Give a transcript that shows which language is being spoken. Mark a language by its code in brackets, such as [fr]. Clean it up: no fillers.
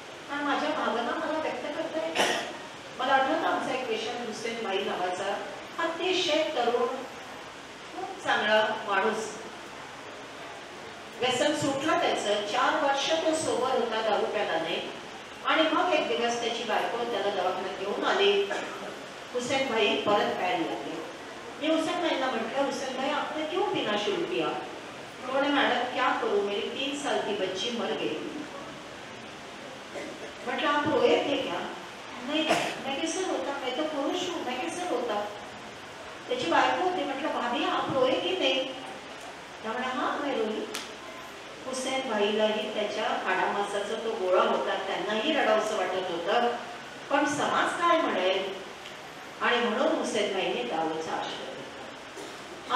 [mr] कारण माझ्या भावना मला व्यक्त करता येत. मला आठवत आमचा एक पेशंट हुसेन भाई नावाचा, अतिशय तरुण, खूप चांगला माणूस, व्यसन सुटला त्याचं, 4 वर्ष तो सोबर होता दारू प्यायलाने. आणि मग एक दिवस त्याची बायको त्याला दवाखान्यात घेऊन आली, हुसेन भाई परत प्यायला लागले. मी हुसेन भाईना म्हटलं, [hi] हुसेन भाई आपने क्यों पीना शुरू किया? उन्होंने, मैडम क्या करूं, मेरी 3 साल की बच्ची मर गई. [mr] म्हटलं [hi] आप रोए थे क्या? नहीं, मैं कैसे रोता, मैं तो पुरुष हूं, मैं कैसे रोता. [mr] त्याची बायको होती, म्हटलं [hi] भाभी आप रोए की नहीं? [mr] त्या म्हणा [hi] हां मैं रोई. [mr] हुसेन भाईलाही त्याच्या काडामासाचा तो गोळा होता, त्यांनाही रडावसं वाटत होतं, पण समाज काय म्हणेल. आणि म्हणून हुसेन भाईने गावचा आश्रय घेतला.